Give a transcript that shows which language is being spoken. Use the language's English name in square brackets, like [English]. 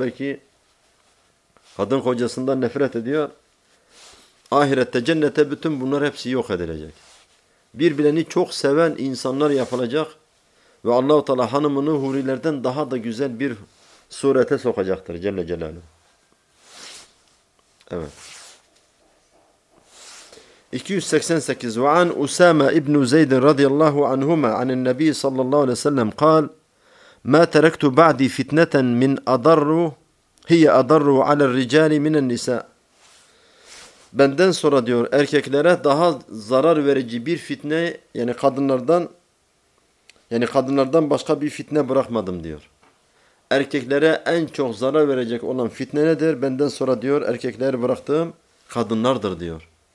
[Turkish] Belki kadın kocasından nefret ediyor. Ahirette, cennette bütün bunlar hepsi yok edilecek. Birbirini çok seven insanlar yapılacak. Ve Allah-u Teala hanımını hurilerden daha da güzel bir surete sokacaktır Celle Celaluhu. Evet. [Arabic] 288 وعن أسامة ابن زيد رضي الله عنهما عن النبي صلى الله عليه وسلم قال ما تركت بعدي فتنة من أضر هي أضر على الرجال من النساء. [Turkish] Benden sonra diyor erkeklere daha zarar verici bir fitne, yani kadınlardan başka bir fitne bırakmadım diyor. Erkeklere en çok zarar verecek olan fitne nedir? Benden sonra diyor erkekler bıraktığım kadınlardır diyor.